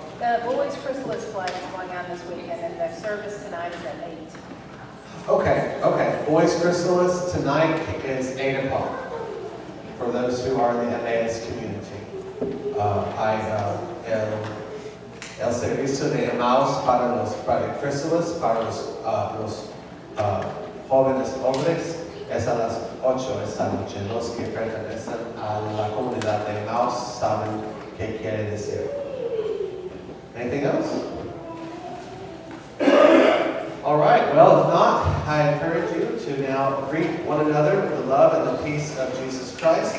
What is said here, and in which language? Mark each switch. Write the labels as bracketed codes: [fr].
[en] The Boys Chrysalis Flight is going on this weekend, and the service tonight is at 8. Okay. Boys Chrysalis tonight is 8 o'clock for those who are in the Emmaus community. [es] El servicio de Emmaus para los chrysalis, para los jóvenes hombres, es a las 8 esta noche. Los que pertenecen a la comunidad de Emmaus saben qué quiere decir. [en] Anything else? All right, well, if not, I encourage you to now greet one another with the love and the peace of Jesus Christ.